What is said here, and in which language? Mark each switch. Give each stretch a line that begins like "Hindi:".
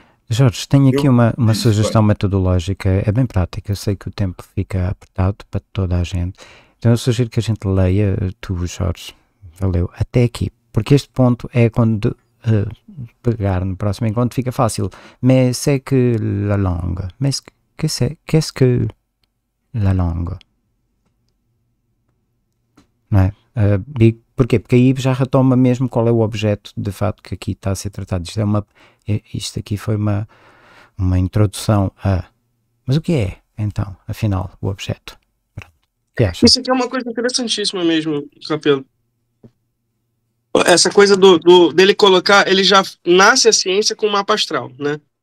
Portuguese: Jorge, tenho aqui uma sugestão metodológica. É bem prática. Eu sei que o tempo fica apertado para toda a gente. Então eu sugiro que a gente leia, tu, Jorge, valeu, até aqui. Porque este ponto é quando pegar no próximo encontro fica fácil.
French: Mais c'est que la langue. Mais qu'est-ce que la langue?
Portuguese: Não é? Porquê? Porque aí já retoma mesmo qual é o objeto de fato que aqui está a ser tratado. Isto aqui foi uma introdução a... Mas o que é? então, afinal, o objeto. Isso aqui é uma coisa interessantíssima mesmo, Capelo. Essa coisa dele colocar, ele já nasce a ciência com o mapa astral, né?